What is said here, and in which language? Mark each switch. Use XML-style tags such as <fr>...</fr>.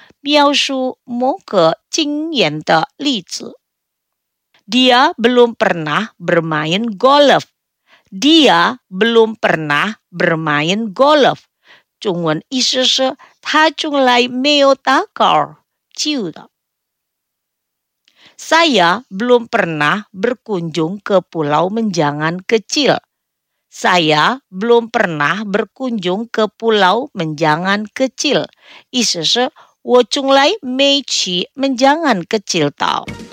<zh>描述某个经验的例子。</zh> <id>Dia belum pernah bermain golf. Dia belum pernah bermain golf.</id> <zh>中文意思是他从来没有打高尔夫的。</zh> <id>Saya belum pernah berkunjung ke Pulau Menjangan kecil. Saya belum pernah berkunjung ke Pulau Menjangan kecil.</id> <zh>意思是我从来没去Menjangan kecil tau。</zh>